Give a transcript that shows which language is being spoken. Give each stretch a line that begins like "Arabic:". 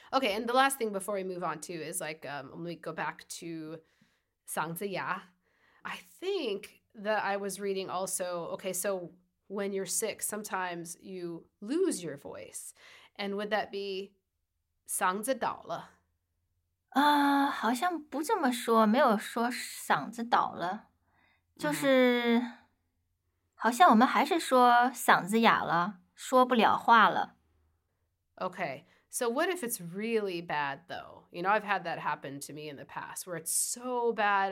English: Okay, and the last thing before we move on to is like, when we go back to 嗓子牙, I think... That I was reading also, okay, so when you're sick, sometimes you lose your voice. And would that be
Chinese: 嗓子倒了？好像不这么说，没有说嗓子倒了。就是、mm-hmm. 好像我们还是说嗓子哑了，说不了话了。
English: Okay, So what if it's really bad, though? You know, I've had that happen to me in the past where it's so bad.